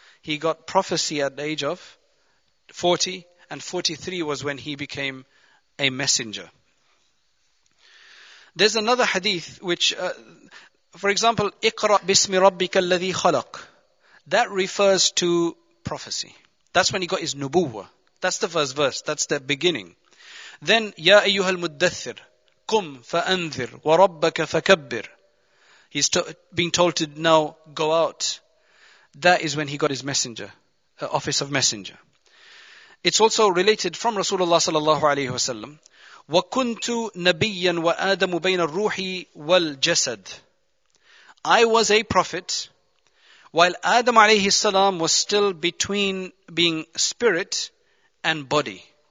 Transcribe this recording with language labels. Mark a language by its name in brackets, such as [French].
[English] He got prophecy at the age of 40, and 43 was when he became a messenger. There's another hadith which, for example, [Arabic] اقرأ بسم ربك الذي خلق. [English] That refers to prophecy. That's when he got his nubuwa. That's the first verse. That's the beginning. [Arabic] Then, يا أيها المدثر قم فأنذر وربك فكبر. [English] He's being told to now go out. That is when he got his messenger, office of messenger. It's also related from Rasulullah sallallahu alayhi wa sallam. [Arabic] وَكُنْتُ نَبِيًّا وَآدَمُ بَيْنَ الرُّوحِ وَالْجَسَدِ [English] I was a prophet, while Adam alayhi salam was still between being spirit and body.